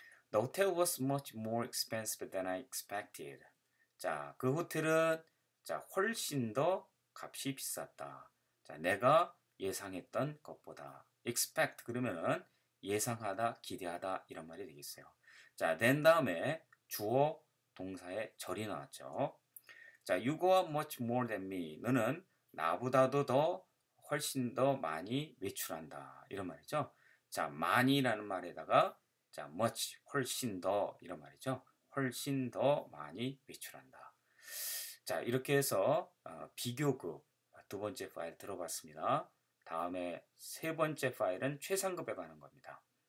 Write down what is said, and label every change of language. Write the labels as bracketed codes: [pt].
[en] The hotel was much more expensive than I expected. [ko] 자, 그 호텔은 자, 훨씬 더 값이 비쌌다. 자, 내가 예상했던 것보다. expect 그러면은 예상하다, 기대하다 이런 말이 되겠어요. 자, then 다음에 주어 동사의 절이 나왔죠. [en] 자, you go out much more than me. [ko] 너는 나보다도 더 훨씬 더 많이 외출한다. 이런 말이죠. 자, 많이라는 말에다가 자, much 훨씬 더 이런 말이죠. 훨씬 더 많이 외출한다. 자, 이렇게 해서 비교급 두 번째 파일 들어봤습니다. 다음에 세 번째 파일은 최상급에 관한 겁니다.